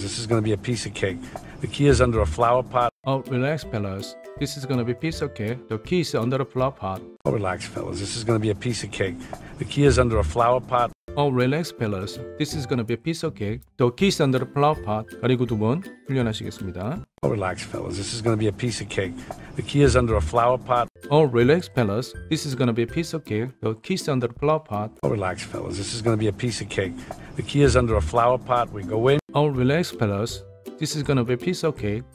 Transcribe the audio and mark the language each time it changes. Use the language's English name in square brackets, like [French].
[English] This is gonna be a piece of cake. The key is under a flower pot. Oh, relax, fellas. This is gonna be a piece of cake. The key is under a flower pot. Oh, relax, fellas. This is gonna be a piece of cake. The key is under a flower pot. Oh, relax, fellas. This is gonna be a piece of cake. The key is under a flower pot. [Korean] 그리고 두 번 훈련하시겠습니다. [English] Oh, relax, fellas. This is gonna be a piece of cake. The key is under a flower pot. Oh, relax, fellas. This is gonna be a piece of cake. The key is under a flower pot. Oh, relax, fellas. This is gonna be a piece of cake. The key is under a flower pot. We go in. Oh, relax, fellas. This is gonna be a piece of cake.